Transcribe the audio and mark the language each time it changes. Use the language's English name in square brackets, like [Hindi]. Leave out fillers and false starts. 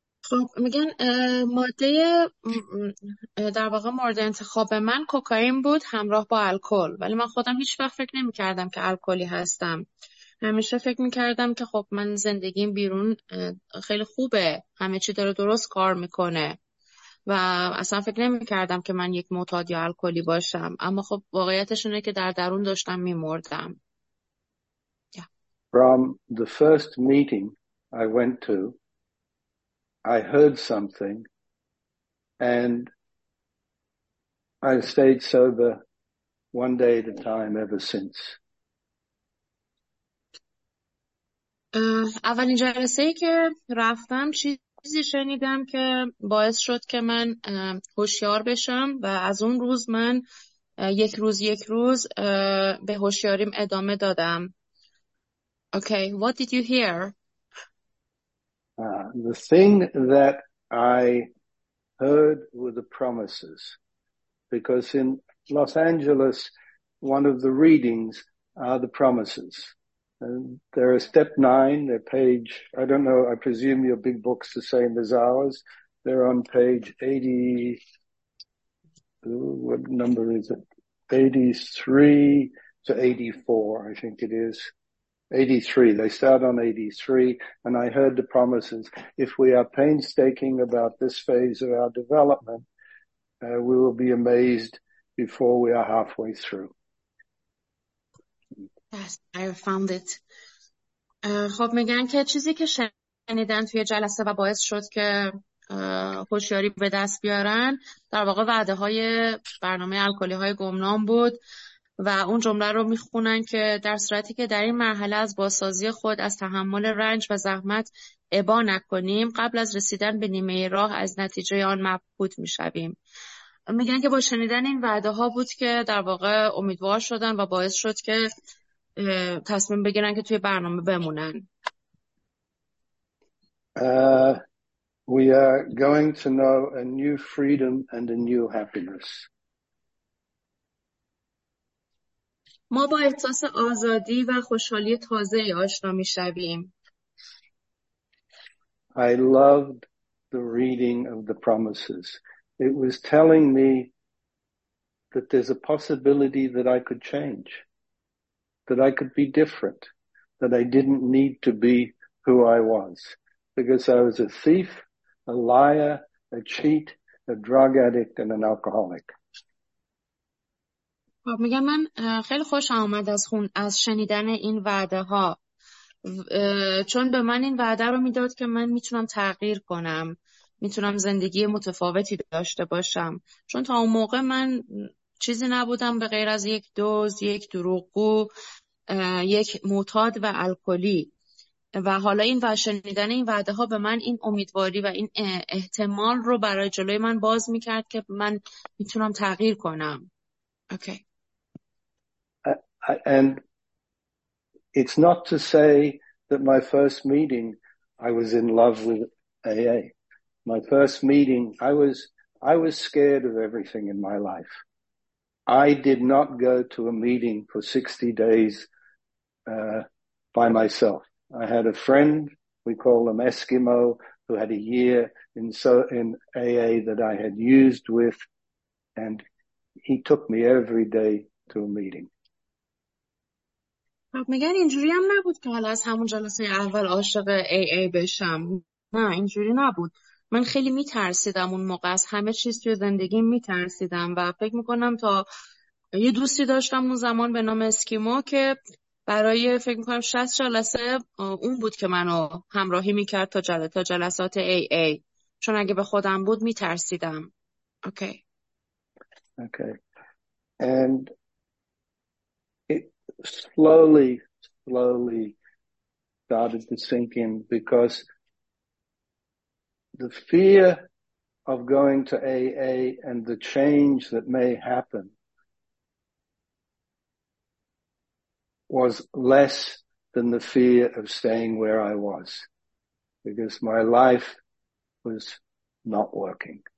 [Persian] خب میگن ماده در واقع مورد انتخاب من کوکائین بود همراه با الکل، ولی من خودم هیچ وقت فکر نمی کردم که الکلی هستم. همیشه فکر می کردم که خب من زندگیم بیرون خیلی خوبه، همه چی داره درست کار میکنه و اصلا فکر نمی کردم که من یک معتاد یا الکلی باشم، اما خب واقعیتش اینه که در درون داشتم می مردم. [English] From the first meeting I went to, I heard something and I stayed sober one day at a time ever since. [Persian] اولین جلسه ای که رفتم چیزی شنیدم که باعث شد که من هوشیار بشم و از اون روز من یک روز یک روز به هوشیاریم ادامه دادم. [English] Okay, what did you hear? The thing that I heard were the promises. Because in Los Angeles, one of the readings are the promises. And there are step nine, they're page, I don't know, I presume your big book's the same as ours. They're on page 80, what number is it? 83 to 84, I think it is. 83, they start on 83, and I heard the promises. If we are painstaking about this phase of our development, we will be amazed before we are halfway through. Yes, I found it. [Persian] خب میگن که چیزی که شنیدن توی جلسه و باعث شد که هوشیاری به دست بیارن در واقع وعده های برنامه الکلی های گمنام بود و اون جمله رو میخونن که در صورتی که در این مرحله از بازسازی خود از تحمل رنج و زحمت ابا نکنیم قبل از رسیدن به نیمه راه از نتیجه آن مبهوت میشویم. میگن که با شنیدن این وعده ها بود که در واقع امیدوار شدن و باعث شد که تصمیم بگیرن که توی برنامه بمونن. [English] We are going to know a new freedom and a new happiness. [Persian] ما با احساس آزادی و خوشحالی تازه آشنا می شویم. [English] I loved the reading of the promises. It was telling me that there's a possibility that I could change, that I could be different, that I didn't need to be who I was, because I was a thief, a liar, a cheat, a drug addict, and an alcoholic. [Persian] خب میگم من خیلی خوش آمد از شنیدن این وعده ها چون به من این وعده رو میداد که من میتونم تغییر کنم میتونم زندگی متفاوتی داشته باشم چون تا اون موقع من چیزی نبودم به غیر از یک دوز یک دروغگو یک معتاد و الکلی و حالا این شنیدن این وعده ها به من این امیدواری و این احتمال رو برای جلوی من باز میکرد که من میتونم تغییر کنم. اوکی okay. [English] And it's not to say that my first meeting, I was in love with AA. My first meeting, I was scared of everything in my life. I did not go to a meeting for 60 days by myself. I had a friend, we call him Eskimo, who had a year in AA that I had used with, and he took me every day to a meeting. [Persian] میگن اینجوری هم نبود که حالا از همون جلسه اول عاشق AA بشم. نه اینجوری نبود. من خیلی میترسیدم اون موقع از همه چیز توی زندگی میترسیدم و فکر میکنم تا یه دوستی داشتم اون زمان به نام اسکیمو که برای فکر میکنم 60 جلسه اون بود که منو همراهی میکرد تا جلسات AA. چون اگه به خودم بود میترسیدم. اوکی. اوکی. [English] And slowly, slowly started to sink in because the fear of going to AA and the change that may happen was less than the fear of staying where I was because my life was not working.